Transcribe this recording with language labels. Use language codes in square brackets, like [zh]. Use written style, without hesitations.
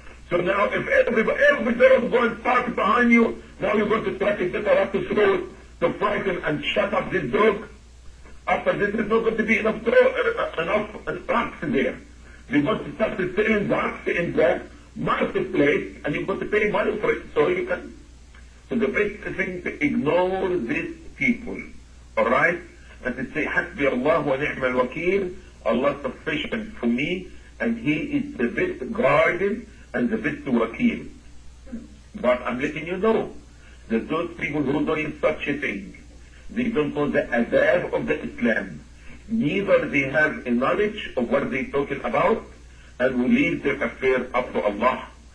[en] So now if every dog going park behind you, now you're going to try to get up the throat to frighten and shut up this dog. After this, there's not going to be enough drugs there. You're going to start selling drugs in that marketplace, and you're going to pay money for it so you can. So the best thing to ignore these people, all right? And to say, [ar] حَسْبِ اللَّهُ وَنِعْمَ الْوَكِيلُ. [en] Allah sufficient for me, and He is the best guardian and the best wakil. But I'm letting you know that those people who are doing such a thing, they don't know the adab of the Islam. Neither they have a knowledge of what they're talking about, and we leave their affair up to Allah.